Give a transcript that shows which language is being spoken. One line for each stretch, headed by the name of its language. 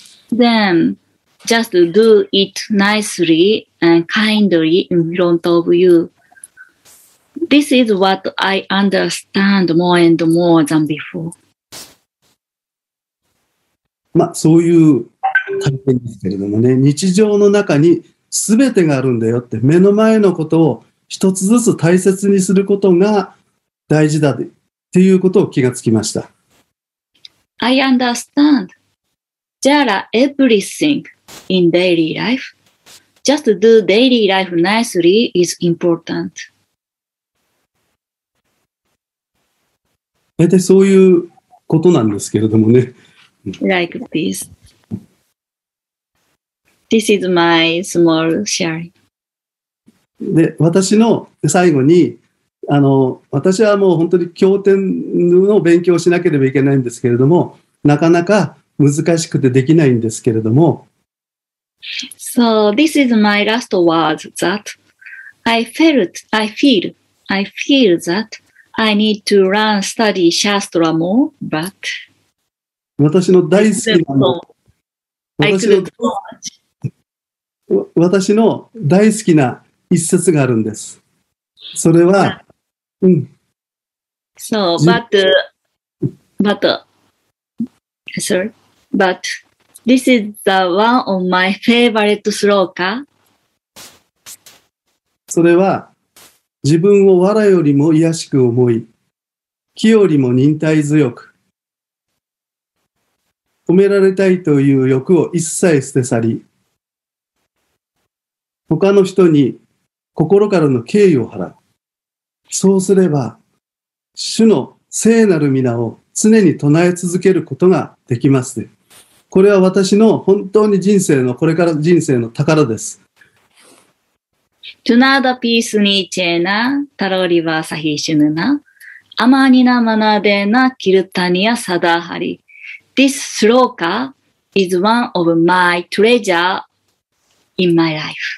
English: Then just do it nicely and kindly in front of you. This is what I understand more and more than before.
Japanese: まあ、そういう感じですけれどもね、日常の中に全てがあるんだよって、目の前のことを一つずつ大切にすることが大事だっていうことを気がつきました。
English: I understand. There are everything in daily life. Just do daily life nicely is important.
Japanese: で、そういうことなんですけれどもね。
English: Like this. This is my small sharing.
Japanese: で、私の最後に、私はもう本当に経典の勉強をしなければいけないんですけれども、なかなか難しくてできないんですけれども。
English: So this is my last word that I feel that I need to learn study Shastra more, but
Japanese: 私の大好きなの。
English: I couldn't watch.
Japanese: 私の大好きな一節があるんです。それは、うん。
English: So, but this is the one of my favorite sloka.
Japanese: それは、自分を藁よりも卑しく思い、木よりも忍耐強く、褒められたいという欲を一切捨て去り、他の人に心からの敬意を払う。そうすれば、主の聖なる皆を常に唱え続けることができます。これは私の本当に人生の、これから人生の宝です。
Sanskrit: トゥナーダピースニーチェーナ、タロリバーサヒーシュヌナ、アマニナマナデーナ、キルタニア・サダーハリ。
English: This sloka is one of my treasure in my life.